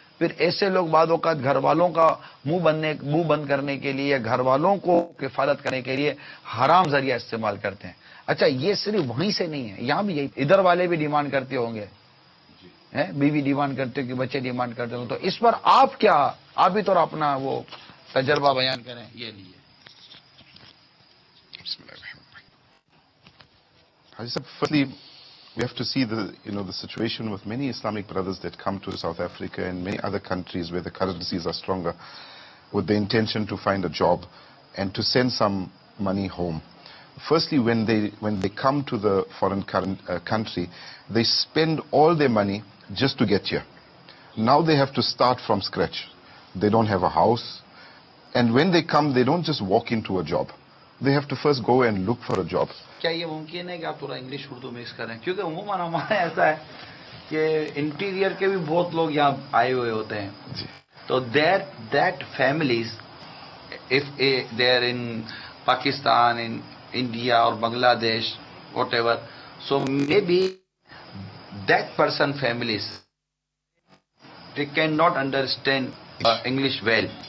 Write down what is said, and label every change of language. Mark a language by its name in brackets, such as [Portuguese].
[Urdu] پھر ایسے لوگ بعض اوقات گھر والوں کا منہ بند کرنے کے لیے، گھر والوں کو کفالت کرنے کے لیے حرام ذریعہ استعمال کرتے ہیں. اچھا یہ صرف وہیں سے نہیں ہے، یہاں بھی یہی ادھر والے بھی ڈیمانڈ کرتے ہوں گے، بیوی ڈیمانڈ کرتے ہو کہ بچے ڈیمانڈ کرتے ہوں. تو اس پر آپ کیا، آپ بھی تھوڑا اپنا وہ تجربہ بیان کریں یہ لیے. [English] I said, firstly, we have to see the, you know, the situation with many Islamic brothers that come to South Africa and many other countries where the currencies are stronger with the intention to find a job and to send some money home. Firstly, when they come to the foreign country, they spend all their money just to get here. Now they have to start from scratch. They don't have a house. And when they come, they don't just walk into a job. They have to first go and look for a job. [Urdu] کیا یہ ممکن ہے کہ آپ تھوڑا English Urdu mix کریں؟ کیونکہ عموماً ہمارے ایسا ہے کہ انٹیریئر کے بھی بہت لوگ یہاں آئے ہوئے ہوتے ہیں، تو [English] That families if they are in Pakistan, in India اور Bangladesh, whatever, so may be that person families they can not understand English well.